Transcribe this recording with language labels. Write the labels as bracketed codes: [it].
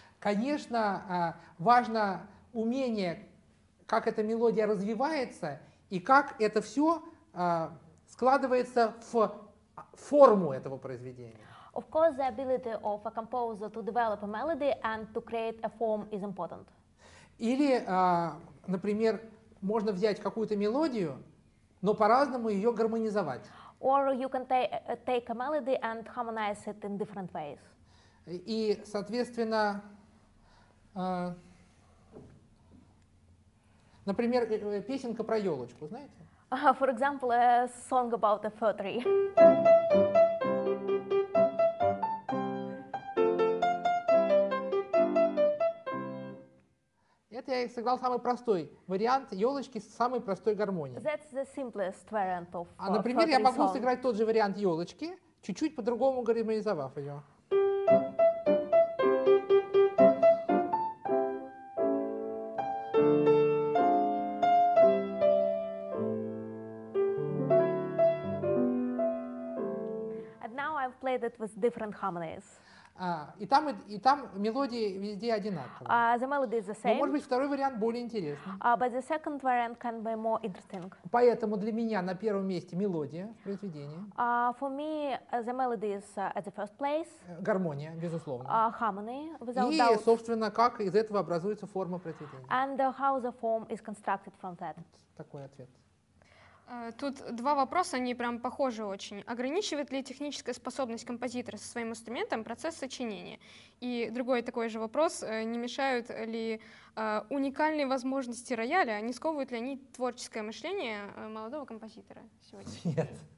[ru] Конечно, важно умение, как эта мелодия развивается и как это все складывается в форму этого произведения. [en] Of course, the ability of a composer to develop a melody and to create a form is important. [ru] Или, например, можно взять какую-то мелодию, но по-разному ее гармонизовать. [en] Or you can take a melody and harmonize it in different ways. [ru] И, соответственно, например, песенка про ёлочку, знаете? [en] For example, a song about a fir tree. [ru] Это я сыграл самый простой вариант ёлочки с самой простой гармонией. [en] That's the simplest variant of [ru] А, например, [en] fir tree [ru] я могу [en] song. [ru] Сыграть тот же вариант ёлочки, чуть-чуть по-другому гармонизовав её. [en] That with different harmonies. [ru] И там мелодии везде одинаковые. [en] The melody is the same. [ru] Но, может быть, второй вариант более интересный. [en] But the second variant can be more interesting. [ru] Поэтому для меня на первом месте мелодия в произведении. [en] For me, the melody is at the first place. [ru] Гармония, безусловно. [en] Harmony, without doubt. [ru] И, собственно, как из этого образуется форма произведения. [en] And how the form is constructed from that. [ru] Вот такой ответ. Тут два вопроса, они прям похожи очень. Ограничивает ли техническая способность композитора со своим инструментом процесс сочинения? И другой такой же вопрос, не мешают ли уникальные возможности рояля, не сковывают ли они творческое мышление молодого композитора сегодня?